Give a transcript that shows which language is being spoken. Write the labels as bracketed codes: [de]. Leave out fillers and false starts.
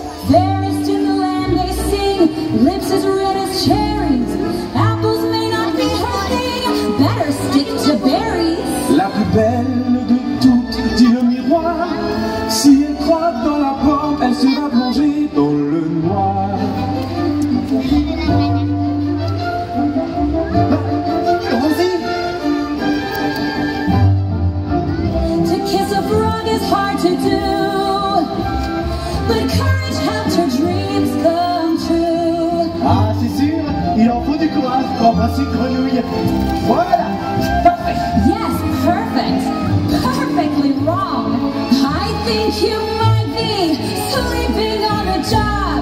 [en] Fairest in the land, they sing, lips as red as cherries. Apples may not be healthy, better stick to berries. [fr] La plus belle de toutes, dit le miroir. Si elle croit dans la pomme, elle sera plongée dans le noir. [en] To kiss a frog is hard to do, but courage helped her dreams come true. [fr] Ah, c'est sûr, il en faut du courage pour embrasser une grenouille. Voilà, parfait. [en] Yes, perfect, perfectly wrong. I think you might be sleeping on the job.